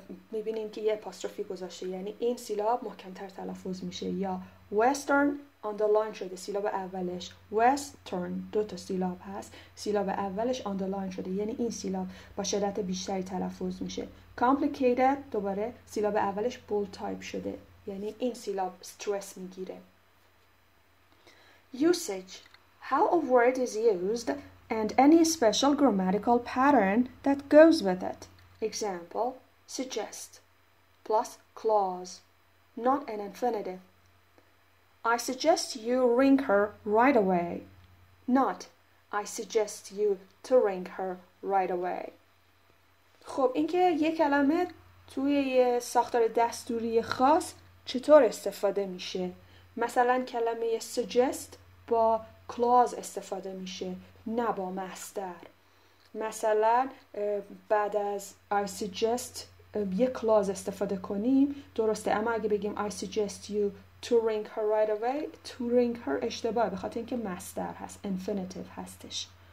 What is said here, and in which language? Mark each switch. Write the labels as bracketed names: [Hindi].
[Persian] میبینیم که یه اپاسترفی گذاشته، یعنی این سیلاب محکمتر تلفظ میشه، یا western underline شده سیلاب اولش، western دو تا سیلاب هست، سیلاب اولش underline شده، یعنی این سیلاب با شدت بیشتری تلفظ میشه. complicated دوباره سیلاب اولش bold type شده، یعنی این سیلاب stress میگیره. [English] usage: how a word is used and any special grammatical pattern that goes with it. Example: suggest plus clause, not an infinitive. I suggest you ring her right away, not I suggest you to ring her right away. [Persian] خب اینکه یک کلمه توی یه ساختار دستوری خاص چطور استفاده میشه؟ مثلا کلمه suggest با clause استفاده میشه، نه با مصدر. مثلا بعد از [English] I suggest یه clause استفاده کنیم، درسته، اما اگه بگیم I suggest you to ring her right away، [Persian] to ring her اشتباه، به خاطر اینکه مصدر هست، infinitive هستش.